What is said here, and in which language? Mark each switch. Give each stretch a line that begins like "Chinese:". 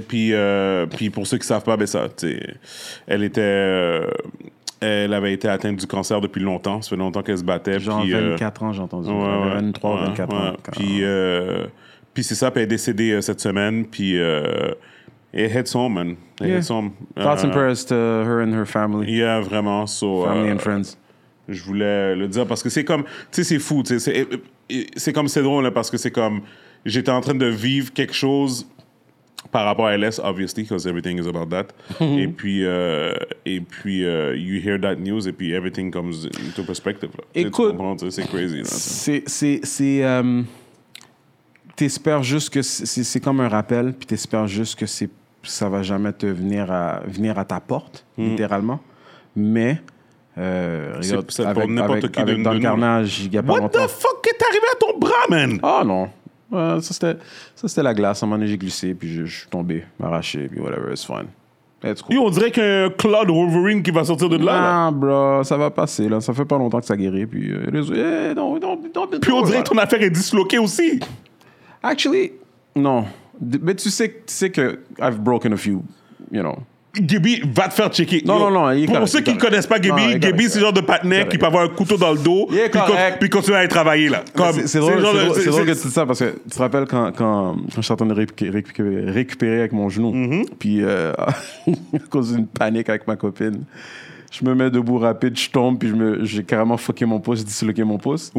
French: Puis pour ceux qui savent pas, ben ça, tu sais, elle était... elle avait été atteinte du cancer depuis longtemps. Ça fait longtemps qu'elle se battait. Genre puis, 24 ans, j'ai entendu. Ouais, 23, ouais, 24 ouais, ans. Puis, puis c'est ça, puis elle est décédée cette semaine, puis...
English: It hits home, man. Thoughts and prayers to her and her family. Yeah, vraiment. So, family and friends.
French: Je voulais le dire parce que c'est comme... Tu sais, c'est fou. C'est comme... C'est drôle, là, parce que c'est comme... J'étais en train de vivre quelque chose par rapport à LS, obviously, because everything is about that. Et puis...
English: you hear that news et puis everything comes into perspective. Là.
French: Écoute... Tu comprends, c'est crazy. Là, c'est t'espères juste que c'est comme un rappel, puis t'espères juste que c'est, ça va jamais te venir à ta porte, littéralement. Mais, regarde, dans le carnage, il y a pas longtemps.
English: What the fuck est arrivé à ton bras, man?
French: Oh non. Ça, c'était la glace. À un moment donné, j'ai glissé, puis je suis tombé, m'arraché, puis whatever, it's fine. It's cool. Yo, on dirait qu'un Claude Wolverine qui va sortir de là. Non, bro, ça va passer, là. Ça fait pas longtemps que ça guérit, puis... Puis on dirait que ton affaire est disloquée aussi.
English: Actually, non. Mais tu sais que I've broken a few, you know.
French: Gabby, va te faire checker. Non. Pour ceux qui ne connaissent pas Gabby, Gabby, c'est le genre de patinet qui peut avoir un couteau dans le dos puis continuer à aller travailler, là. C'est drôle que tu dis ça, parce que tu te rappelles quand je suis en train de récupérer avec mon genou, puis à cause d'une panique avec ma copine, je me mets debout rapide, je tombe, puis j'ai carrément fucké mon pouce, disloqué mon pouce.